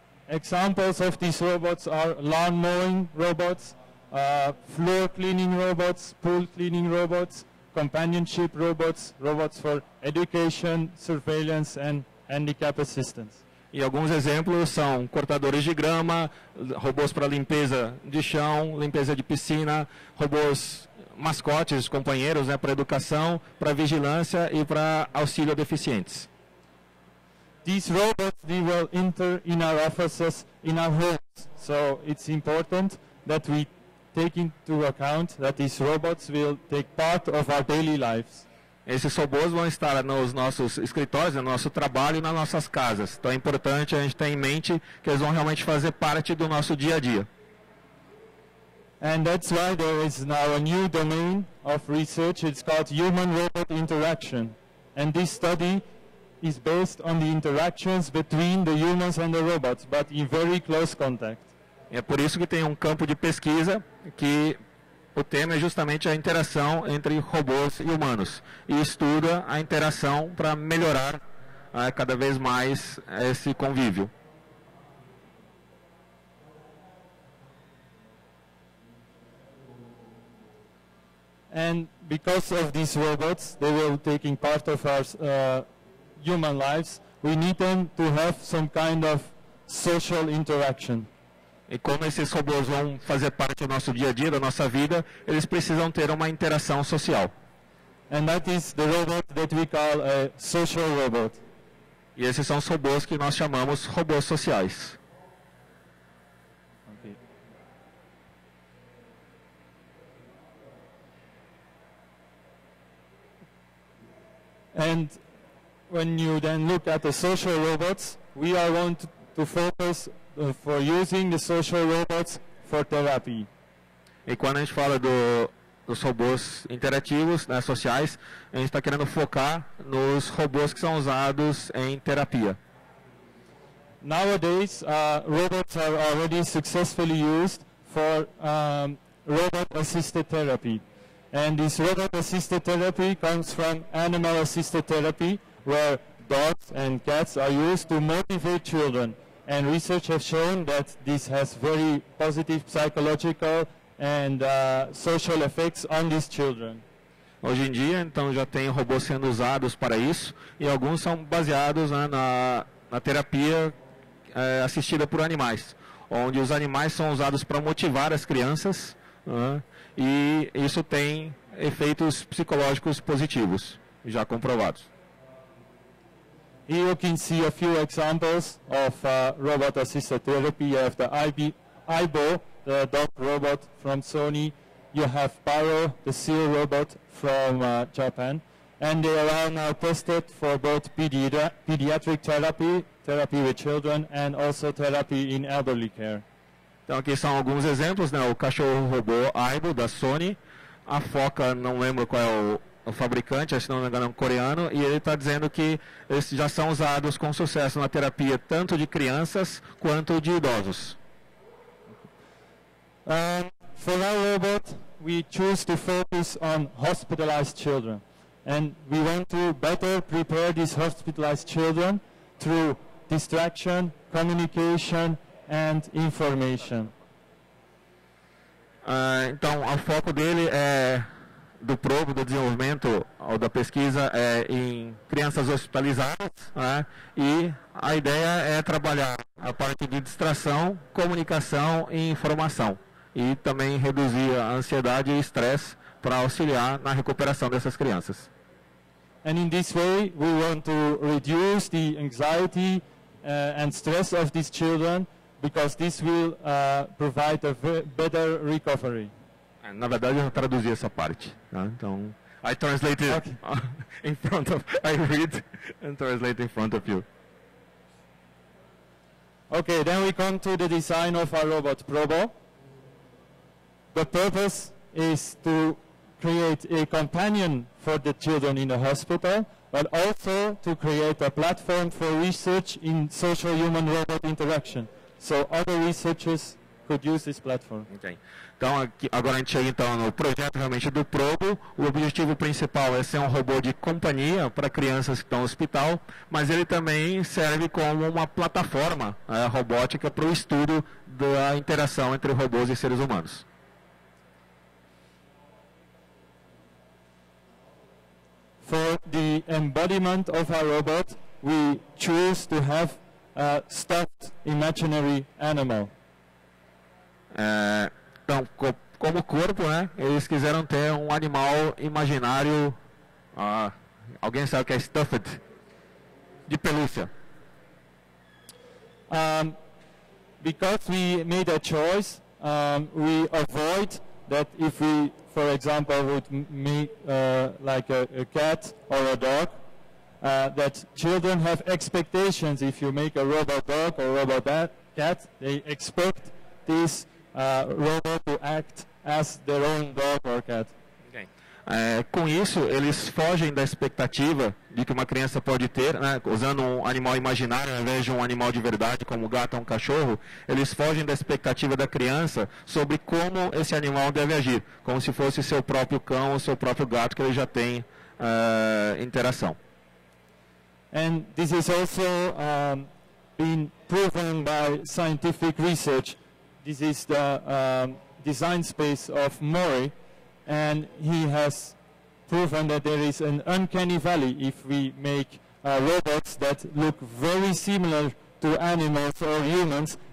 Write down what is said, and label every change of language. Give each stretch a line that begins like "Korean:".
English: Examples of these robots are lawn mowing robots, floor cleaning robots, pool cleaning robots, companionship robots, robots for education, surveillance and handicap assistance.
Portuguese: E alguns exemplos são cortadores de grama, robôs para limpeza de chão, limpeza de piscina, robôs mascotes, companheiros, né, para educação, para vigilância e para auxílio a deficientes.
English: These robots, they will enter in our offices, in our homes. So it's important that we take into account that these robots will take part of our daily lives.
Portuguese: Esses robôs vão estar nos nossos escritórios, no nosso trabalho e nas nossas casas. Então é importante a gente ter em mente que eles vão realmente fazer parte do nosso dia a dia.
English: And that's why there is now a new domain of research. It's called human-robot interaction. And this study is based on the interactions between the humans and the robots, but in very close contact.
Portuguese: É por isso que tem um campo de pesquisa que o tema é justamente a interação entre robôs e humanos. E estuda a interação para melhorar cada vez mais esse convívio.
English: And because of these robots, they will be taking part of our human lives, we need them to have some kind of social interaction.
Portuguese: E como esses robôs vão fazer parte do nosso dia a dia, da nossa vida, eles precisam ter uma interação social.
English: And that is the robot that we call a social robot.
Portuguese: E esses são os robôs que nós chamamos robôs sociais.
English: And when you then look at the social robots, we are going to focus for using the social robots for therapy.
Portuguese: E quando a gente fala dos robôs interativos, né, sociais, a gente está querendo focar nos robôs que são usados em terapia.
English: Nowadays, robots are already successfully used for robot-assisted therapy. And this robot-assisted therapy comes from animal-assisted therapy, where dogs and cats are used to motivate children. And research has shown that this has very positive psychological and social effects on these children.
Portuguese: Hoje em dia, então, já tem robôs sendo usados para isso, e alguns são baseados, né, na terapia assistida por animais, onde os animais são usados para motivar as crianças, e isso tem efeitos psicológicos positivos, já comprovados.
English: Here you can see a few examples of robot-assisted therapy. You have the Aibo, the dog robot from Sony. You have Paro, the seal robot from Japan. And they are now tested for both pediatric therapy with children, and also therapy in elderly care.
Portuguese: Então aqui são alguns exemplos, né? O cachorro robô Aibo da Sony, a foca, não lembro qual é o fabricante, acho que não me engano é um coreano, e ele está dizendo que eles já são usados com sucesso na terapia tanto de crianças quanto de idosos.
English: For our robot, we choose to focus on hospitalized children, and we want to better prepare these hospitalized children through distraction, communication, and information.
Portuguese: Então, o foco dele é do PROBO, do desenvolvimento ou da pesquisa, é em crianças hospitalizadas, né? E a ideia é trabalhar a parte de distração, comunicação e informação, e também reduzir a ansiedade e estresse para auxiliar na recuperação dessas crianças.
English: And in this way, we want to reduce the anxiety and stress of these children, because this will provide a better recovery.
Portuguese: Na verdade, eu já traduzi essa parte. Né?
English: Então, I translate it in front of, I read and translate in front of you. Okay, then we come to the design of our robot, Probo. The purpose is to create a companion for the children in the hospital, but also to create a platform for research in social human robot interaction, so other researchers could use this platform. Okay.
Portuguese: Então, aqui, agora a gente chega então no projeto realmente do Probo. O objetivo principal é ser um robô de companhia para crianças que estão no hospital, mas ele também serve como uma plataforma robótica para o estudo da interação entre robôs e seres humanos.
English: For the embodiment of our robot, we choose to have a stuffed imaginary animal.
Portuguese: Então, como corpo, né, eles quiseram ter um animal imaginário, alguém sabe o que é stuffed, de pelúcia.
English: Because we made a choice, we avoid that if we, for example, would meet like a cat or a dog, that children have expectations. If you make a robot dog or robot cat, they expect this robot to act as their own dog or cat. Okay.
Portuguese: Com isso, eles fogem da expectativa de que uma criança pode ter, né, usando um animal imaginário ao invés de um animal de verdade, como um gato ou um cachorro, eles fogem da expectativa da criança sobre como esse animal deve agir, como se fosse seu próprio cão ou seu próprio gato que ele já tem interação.
English: And this is also been proven by scientific research. This is the design space of Mori, and he has proven that there is an uncanny valley if we make robots that look very similar to animals or humans,